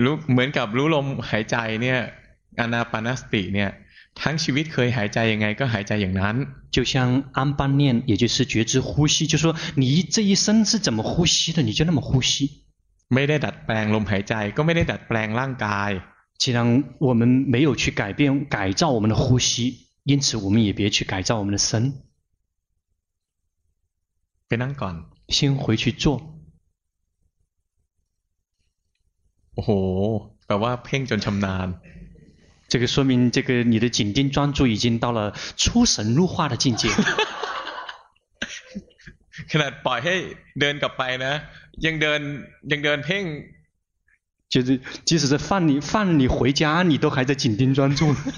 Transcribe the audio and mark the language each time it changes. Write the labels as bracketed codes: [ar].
[th] เหมือนกับรู้ลมหายใจเนี่ยอานาปานสติเนี่ยทั้งชีวิตเคยหายใจยังไงก็หายใจอย่างนั้น [zh] 就像安般念也就是觉知呼吸就说你这一生是怎么呼吸的你就那么呼吸 [th] ไม่ได้ดัดแปลงลมหายใจก็ไม่ได้ดัดแปลงร่างกาย [zh] 既然我们没有去改造我们的呼吸因此我们也别去改造我们的身 [th] ไปนั่งก่อน [zh] 先回去坐 [th] โอ้โหแปลว่าเพ่งจนชำนาญ [zh] 这个说明这个你的紧盯专注已经到了出神入化的境界 [th] ขนาดปล่อยให้เดินกลับไปนะยังเดินเพ่ง [zh] 就是即使是放你回家你都还在紧盯专注